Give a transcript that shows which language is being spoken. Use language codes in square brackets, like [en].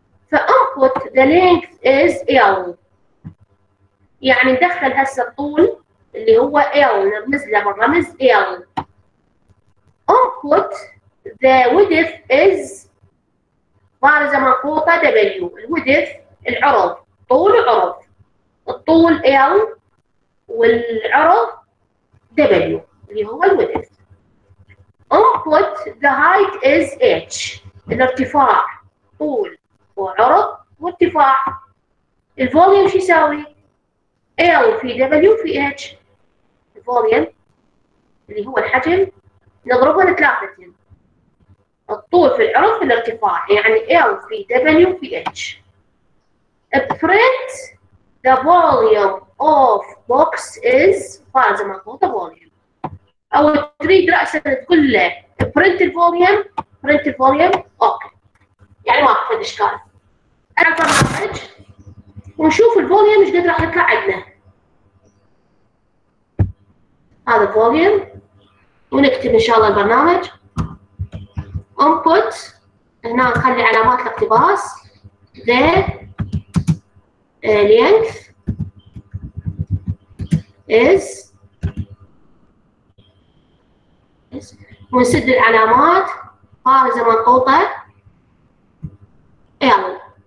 [ar] فانبوت [en] the length is L [ar] يعني ندخل هسه الطول اللي هو L نرمز له بالرمز L. [en] input the width is [ar] بارزة منقوطة [en] W. [ar] الودث العرض طول عرض، الطول L والعرض W اللي هو الودث. [en] Input the height is H [ar] الارتفاع طول وعرض وارتفاع. الفوليوم شو يساوي؟ L في W في H. الفوليوم اللي هو الحجم نضربه لثلاثتين الطول في العرض في الارتفاع يعني L في W في H. [en] Print the volume of box is [ar] فاز ما هو [en] the volume [ar] أو تريد رأسا تقول له [en] print the volume. Print the volume okay [ar] يعني ما في إشكال. أنا برنامج ونشوف الفوليوم إيش قد راح يطلع عندنا. هذا فوليوم ونكتب إن شاء الله البرنامج. Input هنا نخلي علامات الاقتباس [en] the length is [ar] ونسد العلامات بارزة منقوطة L.